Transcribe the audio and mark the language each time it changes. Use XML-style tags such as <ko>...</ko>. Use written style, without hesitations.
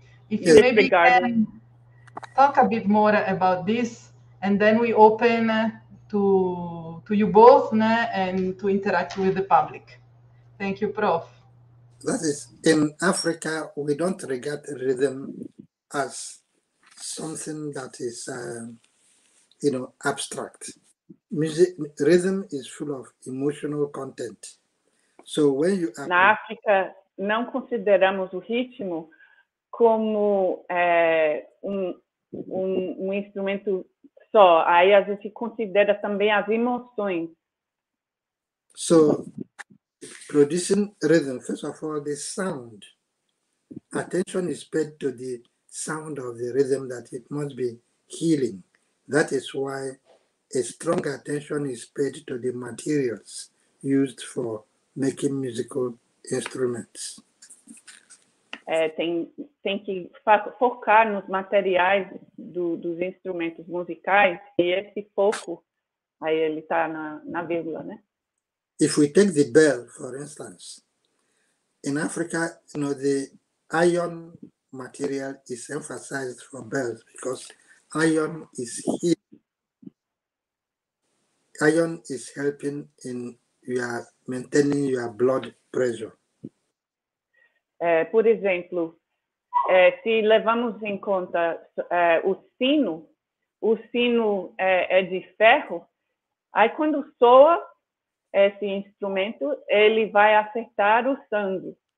<en>If you maybe can talk a bit more about this, and then we open to you both, né, and to interact with the public. Thank you, Prof. That is, in Africa, we don't regard rhythm as something that is, you know, abstract. Music, rhythm is full of emotional content. So when you are...</en> <pt>Na África, não consideramos o ritmo como um instrumento só. Aí a gente considera também as emoções.</pt> <en>So, producing rhythm, first of all, the sound. Attention is paid to the sound of the rhythm, that it must be healing. That is why a strong attention is paid to the materials used for making musical instruments.</en> <pt>Tem que focar nos materiais dos instrumentos musicais, e esse foco, aí ele está na vírgula, né?</pt> <en>If we take the bell, for instance, in Africa, you know, the iron material is emphasized for bells because iron is healing. Iron is helping in your maintaining your blood pressure.</en> <pt>Por exemplo, se levamos em conta o sino é de ferro, aí quando soa esse instrumento, ele vai acertar o sangue.</pt>